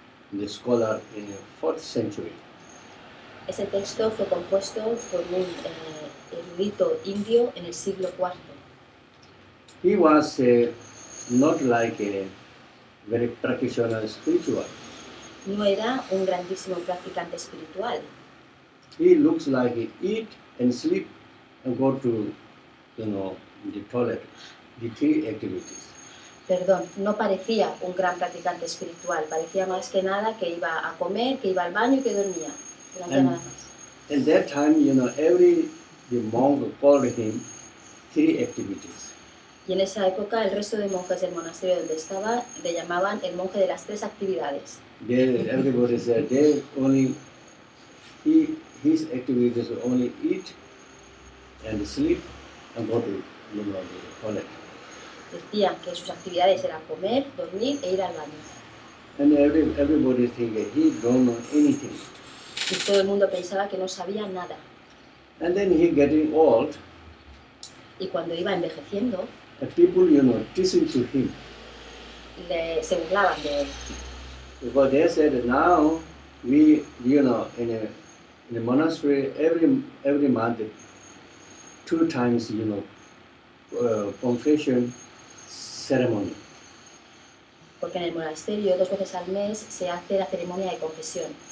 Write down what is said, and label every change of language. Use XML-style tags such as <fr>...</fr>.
<en>The scholar in the 4th century.</en> <es>Ese texto fue compuesto por un erudito indio en el siglo IV.</es> <en>He was not like a very practitioner spiritual.</en> <es>no era un grandísimo practicante espiritual.</es> <en>He looks like he eat and sleep and go to, you know, the toilet, the three activities.</en> <es>Perdón, no parecía un gran practicante espiritual. Parecía más que nada que iba a comer, que iba al baño y que dormía.</es> <en>And that time, you know, the monk called him three activities.</en> <es>Y en esa época, el resto de monjes del monasterio donde estaba le llamaban el monje de las tres actividades.</es> <en>Everybody said they only his activities were only eat and sleep and go to, you know, the toilet.</en> <es>Decían que sus actividades eran comer, dormir e ir al baño.</es> <en>And everybody think that he don't know anything.</en> <es>Y todo el mundo pensaba que no sabía nada.</es> <en>And then he getting old.</en> <es>Y cuando iba envejeciendo,</es> <en>the people, you know, teasing to him.</en> <es>Le se burlaban de él.</es> <en>Because they said that now we, you know, in the monastery every month two times, you know, confession ceremony.</en> <es>Porque en el monasterio dos veces al mes se hace la ceremonia de confesión.</es>